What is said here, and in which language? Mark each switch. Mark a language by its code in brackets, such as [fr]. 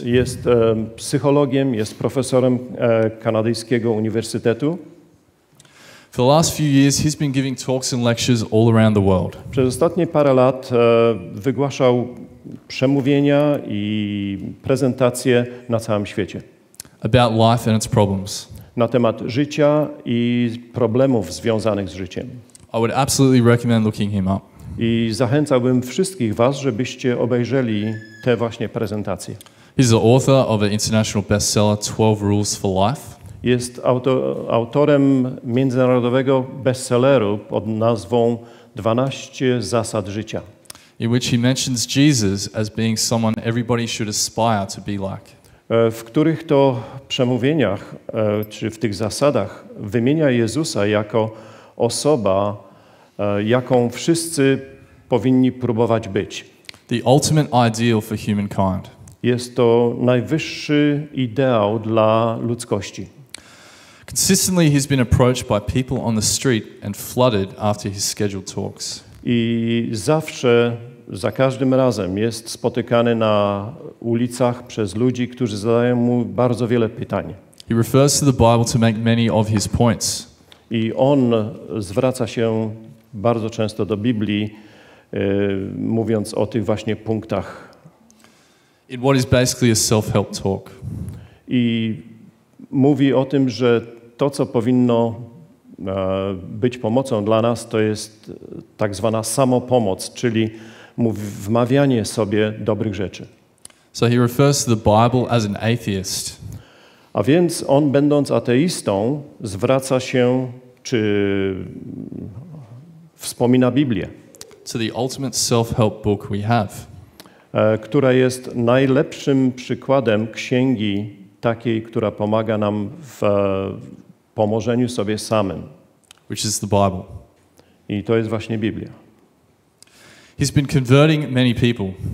[pl] Jest psychologiem, jest profesorem kanadyjskiego uniwersytetu. [en] For the last few years, he's been giving talks and lectures all around the world. [pl] Przez ostatnie parę lat wygłaszał przemówienia i prezentacje na całym świecie. [en] About life and its problems. [pl] Na temat życia i problemów związanych z życiem. [en] I would absolutely recommend looking him up. [pl] I zachęcałbym wszystkich was, żebyście obejrzeli te właśnie prezentacje. [en] He's the author of an international bestseller, 12 Rules for Life. [pl] Jest autorem międzynarodowego bestselleru pod nazwą 12 zasad życia. [en] in which he mentions Jesus as being someone everybody should aspire to be like. [pl] W których to przemówieniach, czy w tych zasadach, wymienia Jezusa jako osoba, jaką wszyscy powinni próbować być. [en] The ultimate ideal for humankind. [pl] Jest to najwyższy ideał dla ludzkości. [en] Consistently he's been approached by people on the street and flooded after his scheduled talks. [pl] I zawsze, za każdym razem jest spotykany na ulicach przez ludzi, którzy zadają mu bardzo wiele pytań. [en] He refers to the Bible to make many of his points. [pl] I on zwraca się bardzo często do Biblii, mówiąc o tych właśnie punktach. [en] In what is basically a self-help talk. [pl] I mówi o tym, że to, co powinno być pomocą dla nas, to jest tak zwana samopomoc, czyli wmawianie sobie dobrych rzeczy. [en] So he refers to the Bible as an atheist. [pl] A więc on, będąc ateistą, zwraca się, czy wspomina Biblię. [en] To the ultimate self-help book we have. [pl] Która jest najlepszym przykładem księgi takiej, która pomaga nam w pomożeniu sobie samym. [en] Which is the Bible. [pl] I to jest właśnie Biblia. [en] He's been converting many people.